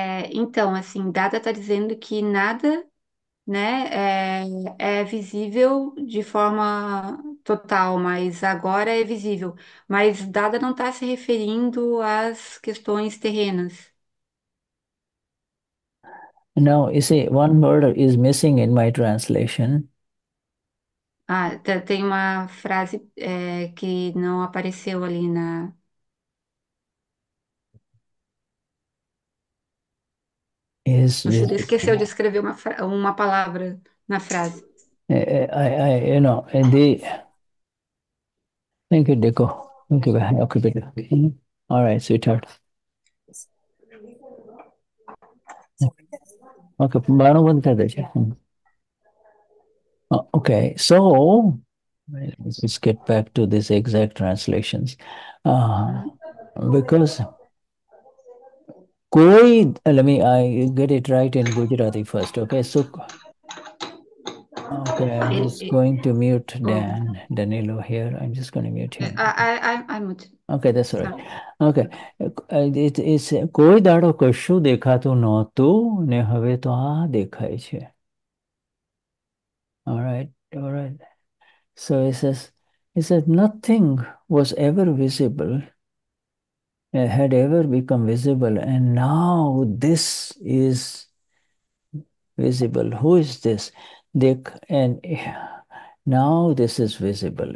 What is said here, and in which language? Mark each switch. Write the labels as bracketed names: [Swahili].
[Portuguese] Então, assim, Dada está dizendo que nada, né, é visível de forma total, mas agora é visível. Mas Dada não está se referindo às questões terrenas. [English] Now, you see, one word is missing in my translation. [Portuguese] Ah, tem uma frase, que não apareceu ali na. [English] Is [Portuguese] Você esqueceu de escrever uma palavra na frase. [English] I, you know, and the. Thank you, Deco. Thank you, I'll keep it. All right, sweetheart. Okay, so let's get back to this exact translations. Because koi, let me I get it right in Gujarati first. Okay, so okay, I'm just going to mute Dan Danilo here. I'm just going to mute him. I'm with Okay, that's all right. sorry. Okay, it is [Gujarati] કોઈ દાડો કશું દેખાતું નહોતું ને હવે તો આ દેખાય છે. [English] All right. So he says nothing was ever visible, had ever become visible, and now this is visible. Who is this? Now this is visible.